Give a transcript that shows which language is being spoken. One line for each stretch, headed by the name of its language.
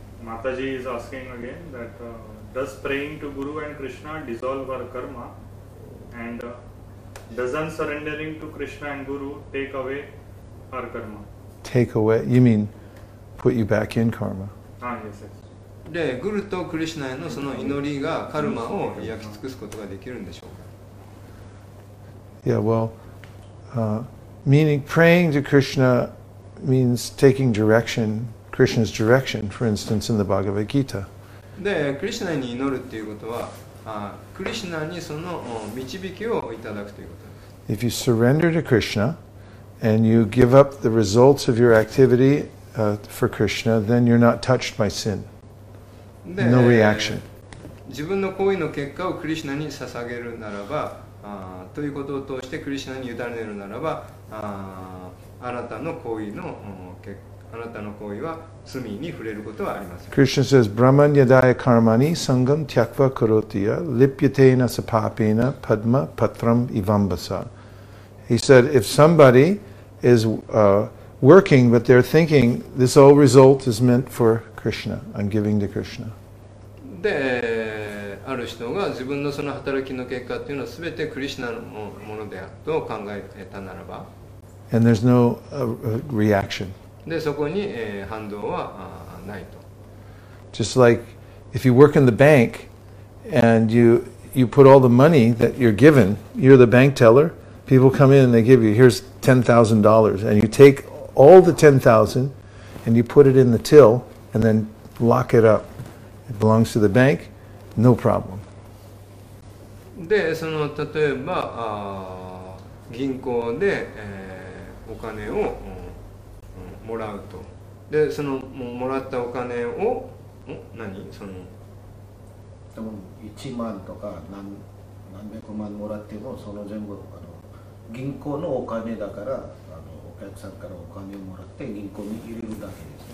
English: Mataji is asking again that does praying to Guru and Krishna dissolve our karma and doesn't surrendering to Krishna and Guru take away our karma? Take away? You mean put you back in karma?
Japanese: で、グルとクリシュナへのその祈りがカルマを焼き尽くすことができるんでしょうか。
English: Yeah, well, meaning praying to Krishna means taking direction, Krishna's direction, for instance, in the Bhagavad Gita.
Japanese: で、クリシュナに祈るっていうことは、クリシュナにその導きをいただくということです。
English: If you surrender to Krishna and you give up the results of your activity, for Krishna, then you're not touched by sin. No reaction.
Japanese: 自分の行為の結果をクリシナに捧げるならば、ということを通してクリシナに委ねるならば、あなたの行為の結果、あなたの行為は罪に触れることはありません。
English: Krishna says,
Sanskrit: Brahman yadaya karmani sangam tyakva karotiya lipyatena sapapena padma patram ivambasa.
English: He said, if somebody is working, but they're thinking, this whole result is meant for Krishna, I'm giving to Krishna.
Japanese: で、ある人が自分のその働きの結果というのは全てクリシナのものであると考えたならば、
English: And there's no reaction.
Japanese: でそこに、反動はないと。
English: Just like if you work in the bank and you put all the money that you're given, you're the bank teller. People come in and they give you, here's $10,000, and you take all the $10,000 and you put it in the till and then lock it up. It belongs to the bank, no problem.
Japanese: でその例えば銀行で、お金をもらうと、でそのもらったお金を、何その、でも1万とか何百万もらっても、その全部銀行のお金だから、お客さんからお金をもらって銀行に入れるだけです。